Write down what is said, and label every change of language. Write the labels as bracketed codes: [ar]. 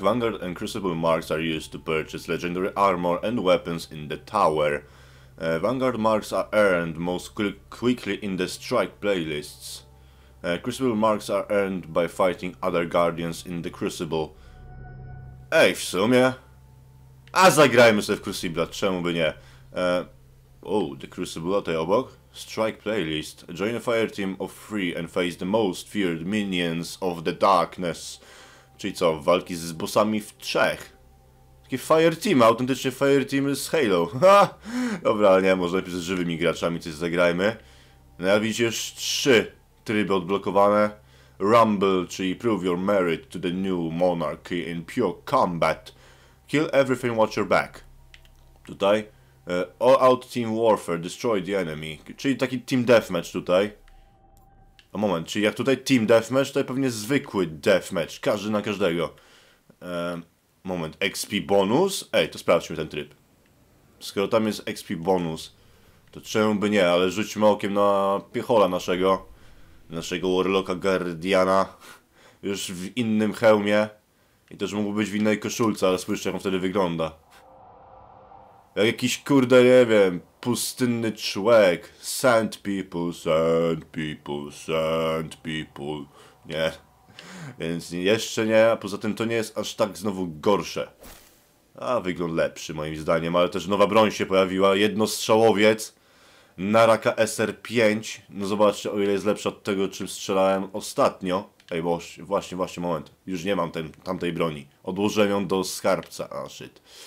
[en] Vanguard and Crucible Marks are used to purchase legendary armor and weapons in the tower. Vanguard Marks are earned most quickly in the strike playlists. Crucible Marks are earned by fighting other guardians in the Crucible. [pl] Ej, w sumie... A zagrajmy sobie w Crucible, czemu by nie? [en] The Crucible [pl] tutaj obok? [en] Strike playlist. Join a fire team of three and face the most feared minions of the darkness. [pl] Czyli co, walki z bossami w trzech? Taki fire team, autentycznie fire team z Halo. Ha! Dobra, ale nie, może lepiej z żywymi graczami coś zagrajmy. No ja widzisz, trzy tryby odblokowane. [en] Rumble, czyli prove your merit to the new monarchy in pure combat. Kill everything, watch your back. Tutaj. All out team warfare, destroy the enemy. [pl] Czyli taki team deathmatch tutaj. O moment, czyli jak tutaj team deathmatch, to pewnie zwykły deathmatch. Każdy na każdego. Moment, XP bonus? Ej, to sprawdźmy ten tryb. Skoro tam jest XP bonus, to czemu by nie, ale rzućmy okiem na piechola naszego. Naszego Warlocka Guardiana. Już w innym hełmie. I też mógłby być w innej koszulce, ale spójrzcie jak on wtedy wygląda. Jak jakiś kurde, nie wiem, pustynny człowiek. [en] Sand people, sand people, sand people. [pl] Nie. Więc jeszcze nie, a poza tym to nie jest aż tak znowu gorsze. A wygląd lepszy moim zdaniem, ale też nowa broń się pojawiła. Jednostrzałowiec. Naraka SR5. No zobaczcie, o ile jest lepsza od tego, czym strzelałem ostatnio. Ej, bo właśnie, właśnie, moment. Już nie mam tamtej broni. Odłożyłem ją do skarbca. A, shit.